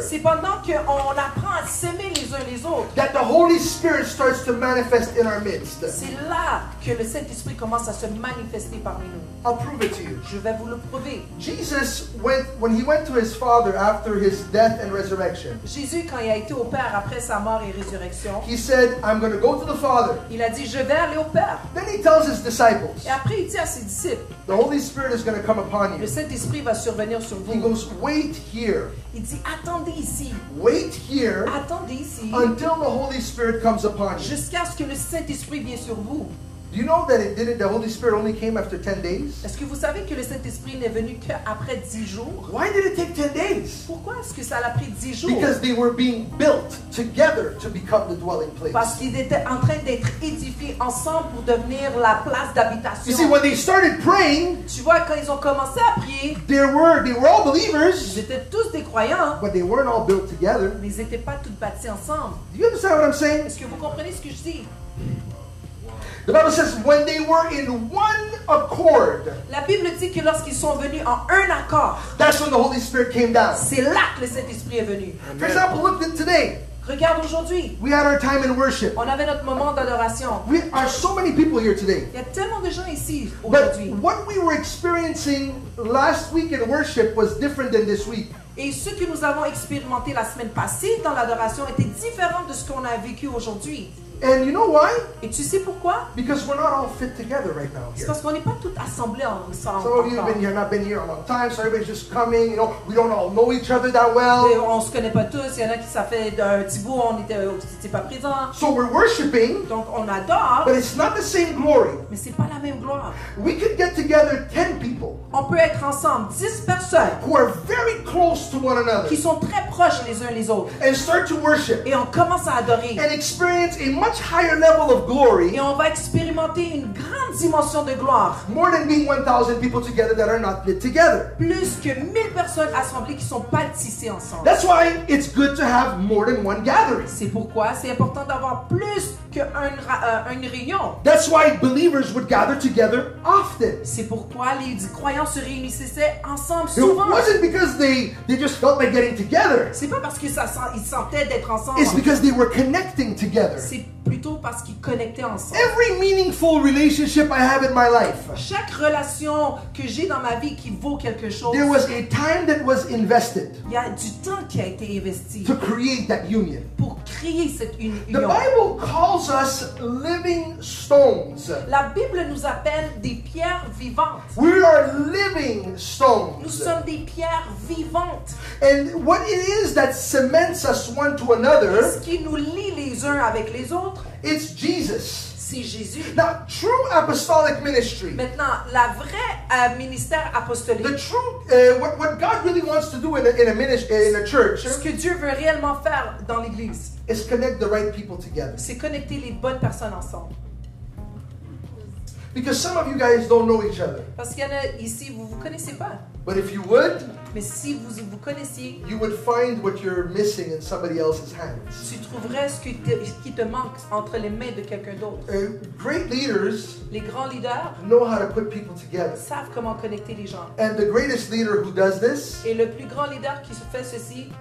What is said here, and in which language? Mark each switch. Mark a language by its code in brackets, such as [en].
[fr] C'est pendant que on apprend à s'aimer les uns les autres. [en] That the Holy Spirit starts to manifest in our midst. [fr] C'est là que le Saint-Esprit commence à se manifester parmi nous. [en] I'll prove it to you. [fr] Je vais vous le prouver. [en] Jesus went when he went to his Father after his death and resurrection. [fr] Jésus, quand il a été au Père après sa mort et résurrection, [en] he said, I'm going to go to the Father. [fr] Il a dit, je vais aller au Père. [en] Then he tells his disciples, [fr] et après, il dit à ses disciples, [en] The Holy Spirit is going to come upon you. [fr] Le Saint-Esprit va survenir sur vous. [en] He goes, wait here. [fr] Il dit, attendez ici. [en] Wait here. [fr] Attendez ici. [en] Until the Holy Spirit comes upon you. [fr] Jusqu'à ce que le Saint-Esprit vienne sur vous. [en] Do you know that it did it? The Holy Spirit only came after 10 days. [fr] Est-ce que vous savez que le Saint-Esprit n'est venu que après 10 jours? [en] Why did it take 10 days? [fr] Pourquoi est-ce que ça l'a pris 10 jours? [en] Because they were being built together to become the dwelling place. [fr] Parce qu'ils étaient en train d'être édifiés ensemble pour devenir la place d'habitation. [en] You see, when they started praying, [fr] tu vois, quand ils ont commencé à prier, [en] they were all believers. [fr] Ils étaient tous des croyants. [en] But they weren't all built together. [fr] Mais ils n'étaient pas tous bâtis ensemble. [en] Do you understand what I'm saying? [fr] Est-ce que vous comprenez ce que je dis? [en] The Bible says when they were in one accord. [fr] La Bible dit que lorsqu'ils sont venus en un accord. [en] That's when the Holy Spirit came down. [fr] C'est là que le Saint-Esprit est venu. [en] Amen. For example, look at today. [fr] Regarde aujourd'hui. [en] We had our time in worship. [fr] On avait notre moment d'adoration. [en] We are so many people here today. [fr] Il y a tellement de gens ici aujourd'hui. [en] But what we were experiencing last week in worship was different than this week. [fr] Et ce que nous avons expérimenté la semaine passée dans l'adoration était différent de ce qu'on a vécu aujourd'hui. [en] And you know why? [fr] Et tu sais pourquoi? [en] Because we're not all fit together right now here. [fr] C'est parce qu'on n'est pas tous assemblés ensemble. [en] Some of you have not been here a long time, so everybody's just coming. You know, we don't all know each other that well. [fr] Et on se connaît pas tous. Il y en a qui ça fait un petit bout, on était pas présents. [en] So we're worshiping. [fr] Donc on adore. [en] But it's not the same glory. [fr] Mais c'est pas la même gloire. [en] We could get together 10 people. [fr] On peut être ensemble 10 personnes. [en] Who are very close to one another. [fr] Qui sont très proches les uns les autres. [en] And start to worship. [fr] Et on commence à adorer. [en] And experience a much higher level of glory. [fr] Et on va expérimenter une grande dimension de gloire. [en] More than being 1,000 people together that are not knit together. [fr] Plus que 1,000 personnes assemblées qui sont pas tissées ensemble. [en] That's why it's good to have more than one gathering. [fr] C'est pourquoi c'est important d'avoir plus que une réunion. [en] That's why believers would gather together often. [fr] C'est pourquoi les croyants se réunissaient ensemble souvent. [en] It wasn't because they just felt like getting together. [fr] C'est pas parce que ils sentaient d'être ensemble. [en] It's because they were connecting together. [fr] Plutôt parce qu'ils connectaient ensemble. [en] Every meaningful relationship I have in my life, [fr] chaque relation que j'ai dans ma vie qui vaut quelque chose, [en] there was a time that was invested. [fr] Il y a du temps qui a été investi [en] to create that union. [fr] Pour créer cette union. [en] The Bible calls us living stones. [fr] La Bible nous appelle des pierres vivantes. [en] We are living stones. [fr] Nous sommes des pierres vivantes. [en] And what it is that cements us one to another, [fr] ce qui nous lie les uns avec les autres, [en] it's Jesus. [fr] C'est Jésus. [en] Now, true apostolic ministry. [fr] Maintenant, la vraie ministère apostolique. [en] The true what God really wants to do in a church. [fr] Ce que Dieu veut réellement faire dans l'église. [en] Is connect the right people together. [fr] C'est connecter les bonnes personnes ensemble. [en] Because some of you guys don't know each other. [fr] Parce qu'il y en a ici, vous vous connaissez pas. [en] But if you would, [fr] mais si vous vous connaissiez, [en] you would find what you're missing in somebody else's hands. [fr] Tu trouverais ce qui te manque entre les mains de quelqu'un d'autre. [en] Great leaders, [fr] les grands leaders, [en] know how to put people together. [fr] Savent comment connecter les gens. [en] And the greatest leader who does this, [fr] et le plus grand leader qui se fait ceci,